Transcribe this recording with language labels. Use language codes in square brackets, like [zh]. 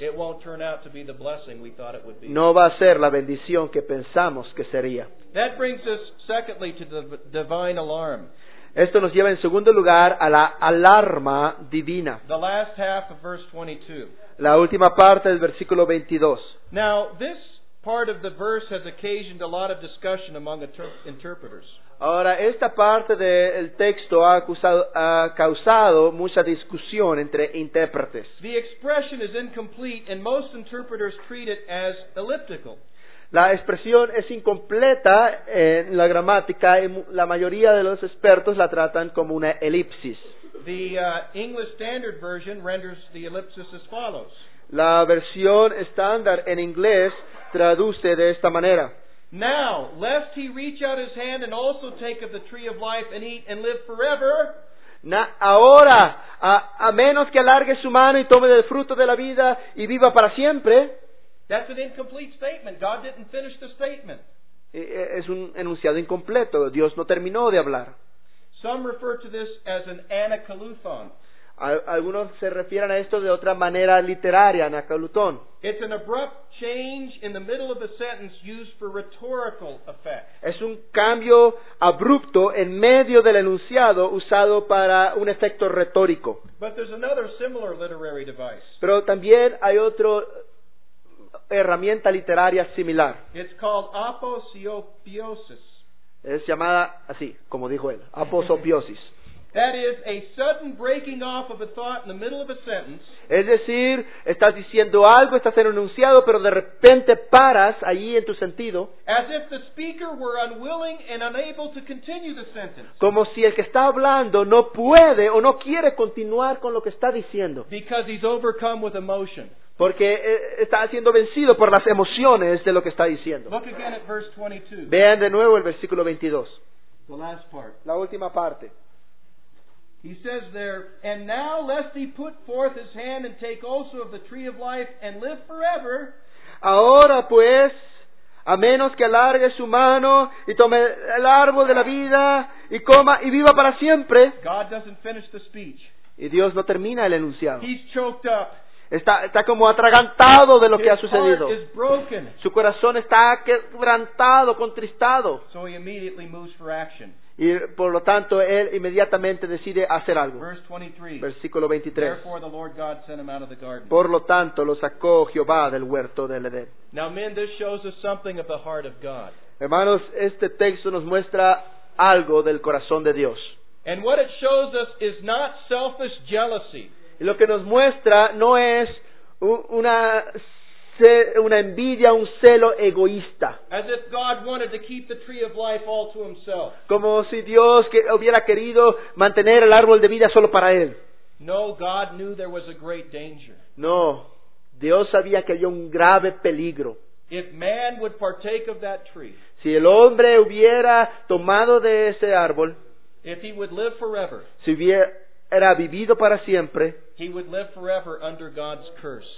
[en] It won't turn out to be the blessing we thought it would be. [es] No va a ser la bendición que pensamos que sería. [en] That brings us secondly to the divine alarm. [es] Esto nos lleva en segundo lugar a la alarma divina. [en] The last half of verse 22. [es] La última parte del versículo 22. [en] Now, this part of the verse has occasioned a lot of discussion among interpreters. [es] Ahora, esta parte del texto ha causado mucha discusión entre intérpretes. [en] The expression is incomplete and most interpreters treat it as elliptical. [es] La expresión es incompleta en la gramática y la mayoría de los expertos la tratan como una elipsis. [en] The English Standard Version renders the ellipsis as follows. [es] La versión estándar en inglés traduce de esta manera. [en] Now, lest he reach out his hand and also take of the tree of life and eat and live forever. [es] Ahora, a menos que alargue su mano y tome del fruto de la vida y viva para siempre. [en] That's an incomplete statement. God didn't finish the statement. [es] Es un enunciado incompleto. Dios no terminó de hablar. [en] Some refer to this as an anacaluthon. [es] Algunos se refieren a esto de otra manera literaria, anacalutón. [en] It's an abrupt change in the middle of the sentence used for rhetorical effect. [es] Es un cambio abrupto en medio del enunciado usado para un efecto retórico. [en] But there's another similar literary device. [es] Pero también hay otra herramienta literaria similar. [en] It's called aposiopiosis. [es] Es llamada así, como dijo él, aposiopiosis. [en] That is a sudden breaking off of a thought in the middle of a sentence. [es] Es decir, estás diciendo algo, estás en un enunciado, pero de repente paras allí en tu sentido. [en] As if the speaker were unwilling and unable to continue the sentence. [es] Como si el que está hablando no puede o no quiere continuar con lo que está diciendo. [en] Because he's overcome with emotion. [es] Porque está siendo vencido por las emociones de lo que está diciendo. [en] Look again at verse 22. [es] Vean de nuevo el versículo 22. [en] The last part. [es] La última parte. [en] He says there, and now lest he put forth his hand and take also of the tree of life and live forever. [es] Ahora pues, a menos que alargue su mano y tome el árbol de la vida y coma y viva para siempre. [en] God doesn't finish the speech. [es] Y Dios no termina el enunciado. [en] He's choked up. [es] Está como atragantado de lo [en] his [es] que ha sucedido. [en] Heart is broken. [es] Su corazón está quebrantado, contristado. [en] So he immediately moves for action. [es] Y por lo tanto, él inmediatamente decide hacer algo. [en] Verse 23. [es] Versículo 23. [en] Therefore, the Lord God sent him out of the garden. [es] Por lo tanto, lo sacó Jehová del huerto del Edén. [en] Now, men, this shows us something of the heart of God. [es] Hermanos, este texto nos muestra algo del corazón de Dios. [en] And what it shows us is not selfish jealousy. [es] Y lo que nos muestra no es una envidia, un celo egoísta. [en] As if God wanted to keep the tree of life all to himself. [es] Como si Dios hubiera querido mantener el árbol de vida solo para él. [en] No, God knew there was a great danger. [es] No, Dios sabía que había un grave peligro. [en] If man would partake of that tree, [es] si el hombre hubiera tomado de ese árbol, [en] if he would live forever, [es] si hubiera era vivido para siempre, [en] he would live forever under God's curse.